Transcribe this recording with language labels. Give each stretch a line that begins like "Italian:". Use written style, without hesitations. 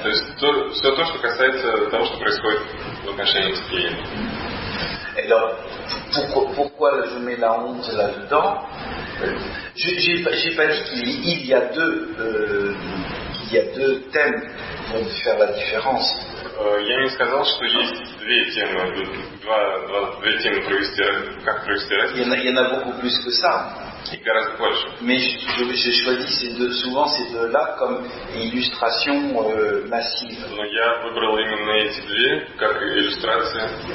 French: Tout ce qui concerne ce qui se passe dans la relation avec le client. Alors, pourquoi je mets la honte là-dedans? J'ai pas dit qu'il y a deux thèmes pour faire la différence.
Russian: Я не сказал, что есть две темы, две темы провести, как провести разницу.
French: Il y en a beaucoup plus que ça.
Russian: И гораздо больше.
French: Mais je choisis ces deux-là comme illustration massive.
Russian: Но я выбрал именно эти две как иллюстрация.